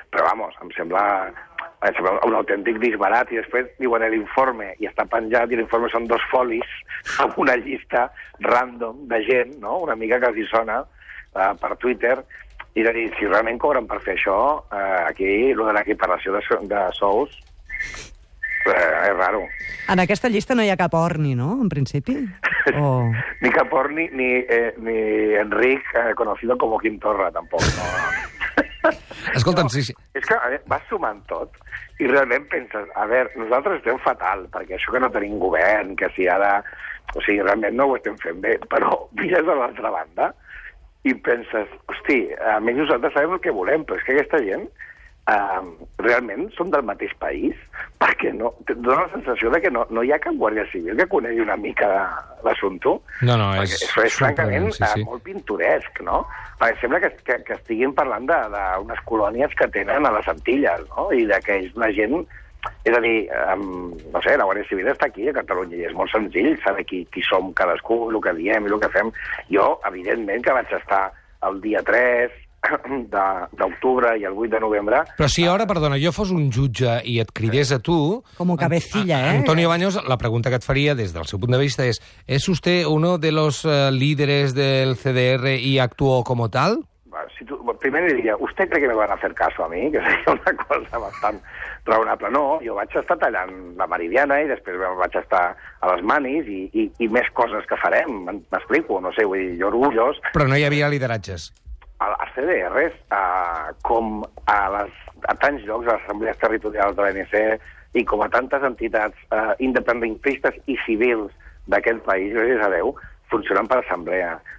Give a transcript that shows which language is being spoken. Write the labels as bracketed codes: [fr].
[ca] Però, vamos, em sembla un autèntic disbarat. I després diuen l'informe, i està penjat, i l'informe són dos folis amb una llista random de gent, no? Una mica que els hi sona per Twitter. I de dir, si realment cobren per fer això, aquí, el de l'equiparació de sous... és raro. En aquesta llista no hi ha cap Orni, no?, en principi? O... ni cap Orni, ni Enric, [es] conocido como [ca] Quim Torra, tampoc. No. Escolta'm, no, sí. És que vas sumant tot i realment penses, a veure, nosaltres estem fatal, perquè això que no tenim govern, que si ara... O sigui, realment no ho estem fent bé, però mires a l'altra banda i penses, hosti, a més nosaltres sabem el que volem, però és que aquesta gent... realment som del mateix país, perquè no, dona la sensació de que no hi ha cap guàrdia civil que conegui una mica l'assumpte. No, és... Això és francament molt pintoresc, no? Perquè sembla que estiguin parlant d'unes colònies que tenen a les Antilles, no? I d'aquells, una gent És a dir, no sé, la Guàrdia Civil està aquí, a Catalunya, i és molt senzill saber qui som cadascú, el que diem i el que fem. Jo, evidentment, que vaig estar el dia 3 d'octubre i el 8 de novembre... Però si ara, perdona, jo fos un jutge i et cridés a tu... [es] Como cabecilla, eh? [ca] Antonio Baños, la pregunta que et faria des del seu punt de vista és: [es] ¿es usted uno de los líderes del CDR y actuó como tal? [ca] Si tu, primer li diria, [es] ¿usted cree que me van a hacer caso a mí? [ca] Que seria una cosa bastant raonable. No, jo vaig estar tallant la Meridiana i després vaig estar a les Manis i més coses que farem, m'explico, no sé, vull dir, jo orgullós... Però no hi havia lideratges. A CDR, com a, les, a tants llocs, a les assemblees territorials de l'ANC i com a tantes entitats independentistes i civils d'aquest país, gràcies a Déu, funcionen per assemblea.